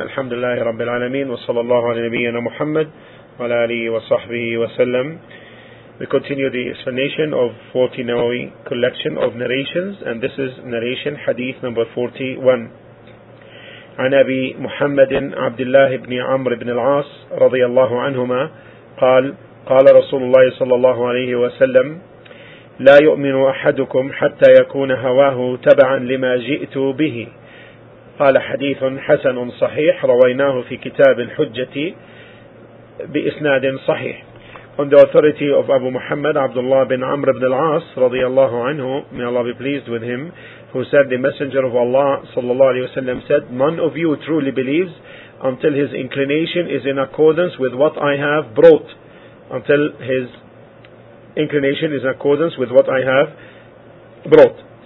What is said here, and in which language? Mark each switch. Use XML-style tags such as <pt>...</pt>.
<ar>الحمد لله رب العالمين، وصلى الله على نبينا محمد وعلى آله وصحبه وسلم.</ar> <en>We continue the explanation of 40 Nawawi collection of narrations, and this is narration hadith number 41.</en> <ar>عن أبي محمد عبد الله بن عمرو بن العاص رضي الله عنهما قال قال رسول الله صلى الله عليه وسلم لا يؤمن أحدكم حتى يكون هواه تبعا لما جئت به. قال حديث حسن صحيح، رويناه في كتاب الحجة بإسناد صحيح.</ar> <en>On the authority of Abu Muhammad Abdullah bin Amr ibn al-As radiyallahu anhu, may Allah be pleased with him, who said, the Messenger of Allah sallallahu alayhi wa sallam said, none of you truly believes until his inclination is in accordance with what I have brought, until his inclination is in accordance with what I have brought.</en>